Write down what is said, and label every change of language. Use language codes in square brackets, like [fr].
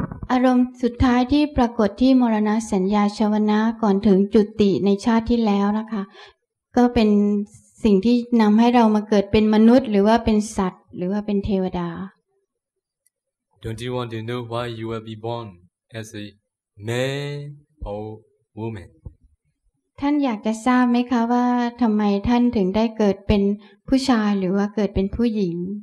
[th] อารมณ์สุดท้ายที่ปรากฏที่มรณสัญญาชวนะก่อนถึงจุติในชาติที่แล้วนะคะก็เป็นสิ่งที่นำให้เรามาเกิดเป็นมนุษย์หรือว่าเป็นสัตว์หรือว่าเป็นเทวดา [en] Don't you want to know why you will be born as a man or woman [th] ท่านอยากจะทราบไหมคะว่าทำไมท่านถึงได้เกิดเป็นผู้ชายหรือว่าเกิดเป็นผู้หญิง